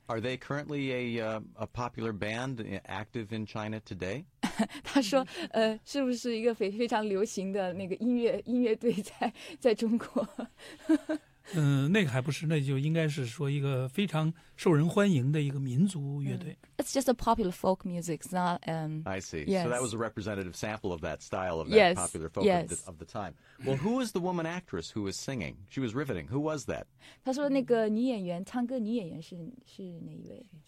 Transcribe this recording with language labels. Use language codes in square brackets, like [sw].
[en] Are they currently a popular band active in China today? [zh] 他说，是不是一个非常流行的那个音乐队在中国？那个还不是，那就应该是说一个非常受人欢迎的一个民族乐队。 [en] It's just a popular folk music, it's not... I see. Yes. So that was a representative sample of that style, of that yes. popular folk yes. Of the time. Well, who was the woman actress who was singing? She was riveting. Who was that? [zh] 他说那个女演员，唱歌女演员是哪一位？